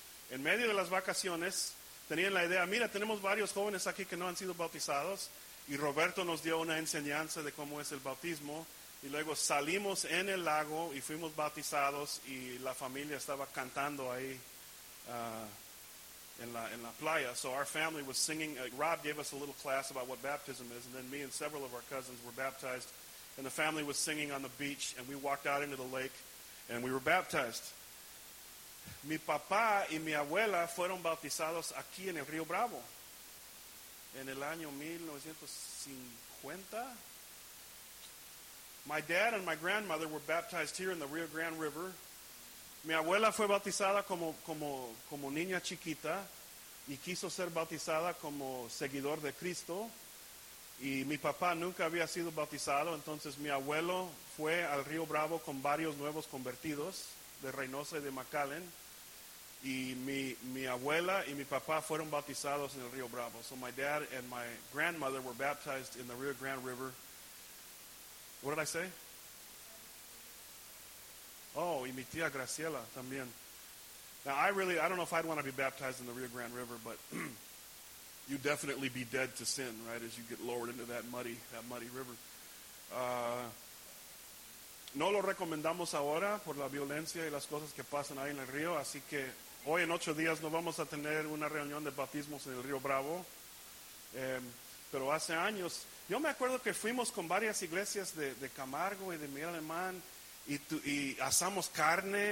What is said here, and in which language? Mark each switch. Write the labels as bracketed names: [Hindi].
[Spanish] En medio de las vacaciones, tenían la idea, mira, tenemos varios jóvenes aquí que no han sido bautizados. Y Roberto nos dio una enseñanza de cómo es el bautismo. Y luego salimos en el lago y fuimos bautizados y la familia estaba cantando ahí en la playa. [English] So our family was singing. Rob gave us a little class about what baptism is. And then me and several of our cousins were baptized. And the family was singing on the beach. And we walked out into the lake and we were baptized. [Spanish] Mi papá y mi abuela fueron bautizados aquí en el Río Bravo. En el año 1950. [English] My dad and my grandmother were baptized here in the Rio Grande River. [Spanish] Mi abuela fue bautizada como niña chiquita y quiso ser bautizada como seguidor de Cristo. Y mi papá nunca había sido bautizado, entonces mi abuelo fue al Río Bravo con varios nuevos convertidos de Reynosa y de McAllen. Y mi abuela y mi papá fueron bautizados en el Río Bravo. [English] So my dad and my grandmother were baptized in the Rio Grande River. What did I say? Oh, [Spanish] y mi tía Graciela también. [English] Now, I don't know if I'd want to be baptized in the Rio Grande River, but you'd definitely be dead to sin, right, as you get lowered into that muddy river. [Spanish] No lo recomendamos ahora por la violencia y las cosas que pasan ahí en el río, así que hoy en 8 días no vamos a tener una reunión de bautismos en el Río Bravo. Pero hace años, yo me acuerdo que fuimos con varias iglesias de Camargo y de Miguel Alemán y asamos carne.